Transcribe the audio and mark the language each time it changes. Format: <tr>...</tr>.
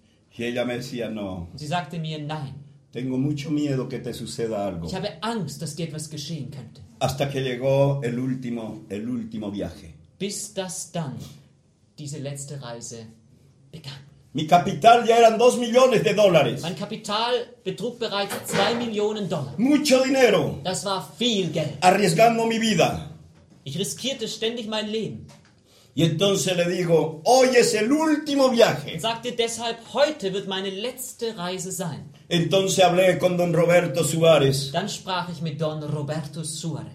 <es>Y ella me decía, no.</es> <de>Und sie sagte mir, nein.</de> <es>Tengo mucho miedo que te suceda algo.</es> <de>Ich habe Angst, dass dir etwas geschehen könnte.</de> <es>Hasta que llegó el último viaje.</es> <de>Bis das dann diese letzte Reise begann.</de> <es>Mi capital ya eran 2 millones de dólares.</es> <de>Mein Kapital betrug bereits 2 Millionen Dollar.</de> <es>Mucho dinero.</es> <de>Das war viel Geld.</de> <es>Arriesgando mi vida.</es> <de>Ich riskierte ständig mein Leben.</de> <es>Y entonces le digo, hoy es el último viaje.</es> <de>Und sagte deshalb, heute wird meine letzte Reise sein.</de> <es>Entonces hablé con Don Roberto Suárez.</es> <de>Dann sprach ich mit Don Roberto Suárez.</de>